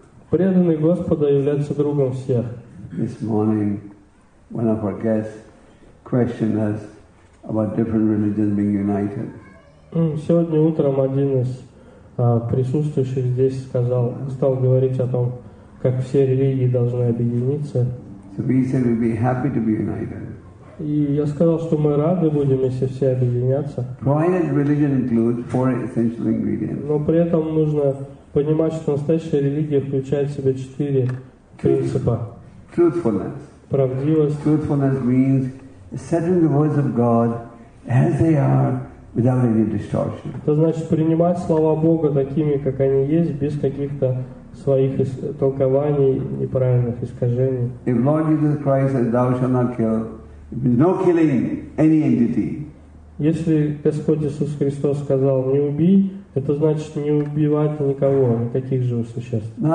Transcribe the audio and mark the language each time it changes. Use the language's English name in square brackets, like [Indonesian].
[Russian] Преданный Господа является другом всех. [English] This morning, one of our guests questioned us about different religions being united. [Russian] Сегодня утром один из присутствующих здесь сказал, стал говорить о том, как все религии должны объединиться. [English] So we said we'd be happy to be united. [Russian] И я сказал, что мы рады будем, если все объединятся. [English] Provided religion includes four essential ingredients. [Russian] Но при этом нужно понимать, что настоящая религия включает в себя четыре принципа. [English] Truthfulness. [Russian] Правдивость. [English] Truthfulness means accepting the words of God as they are, without any distortion. [Russian] Это значит принимать слова Бога такими, как они есть, без каких-то своих толкований неправильных искажений. [English] If Lord Jesus Christ says thou shalt not kill, no killing any entity. [Russian] Если Господь Иисус Христос сказал не убий, это значит не убивать никого, никаких живых существ.